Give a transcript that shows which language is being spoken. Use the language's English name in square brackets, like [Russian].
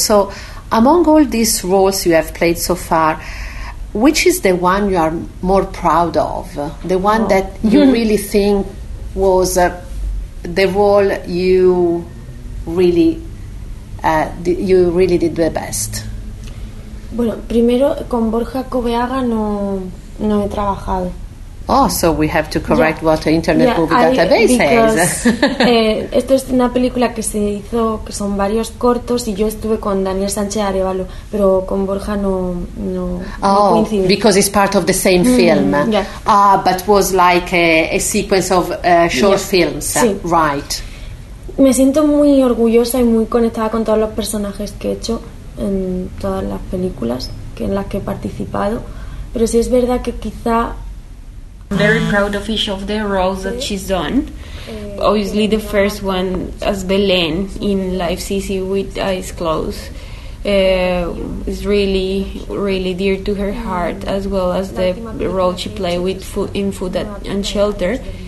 [English] So among all these roles you have played so far, which is the one you are more proud of? The one that you really think was the role you really did the best? [Spanish] Bueno, primero con Borja Cobeaga no he trabajado. [English] Oh, so we have to correct what the Internet Movie Database says. [Spanish] esto es una película que se hizo, que son varios cortos, y yo estuve con Daniel Sánchez Arevalo, pero con Borja no coincide. [English] Oh, because it's part of the same film. Yeah. But was like a sequence of short films. [Spanish] Sí. [English] Right. [Spanish] Me siento muy orgullosa y muy conectada con todos los personajes que he hecho en todas las películas en las que he participado. Pero sí es verdad que quizá [English] I'm very proud of each of the roles that she's done. Obviously, the first one as Belen in Life's Easy with Eyes Closed is really, really dear to her heart, as well as the role she played with Food and Shelter.